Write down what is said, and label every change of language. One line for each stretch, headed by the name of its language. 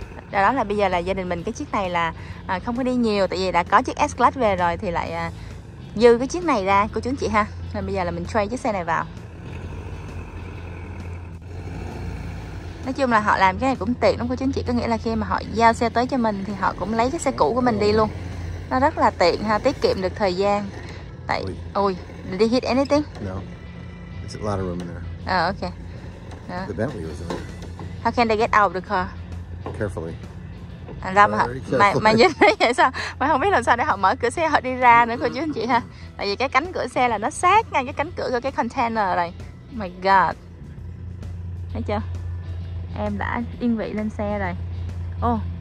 Vietnamese: Đó là bây giờ là gia đình mình cái chiếc này là không có đi nhiều, tại vì đã có chiếc S-Class về rồi thì lại dư cái chiếc này ra của chú anh chị ha. Nên bây giờ là mình trade chiếc xe này vào. Nói chung là họ làm cái này cũng tiện lắm của chú anh chị, có nghĩa là khi mà họ giao xe tới cho mình thì họ cũng lấy cái xe cũ của mình đi luôn. Nó rất là tiện ha, tiết kiệm được thời gian. Tại ôi,
English: did he hit anything? No. It's a lot of room in there. Oh, okay. The Bentley was on. How can they get out of the car? Carefully.
Vietnamese: Ra mà nhìn thấy vậy sao? Mày không biết làm sao để họ mở cửa xe họ đi ra nữa cô chú anh chị ha. Tại vì cái cánh cửa xe là nó sát ngay cái cánh cửa của cái container này.
English: Oh my god.
Vietnamese: Thấy chưa? Em đã yên vị lên xe rồi. Ô. Oh.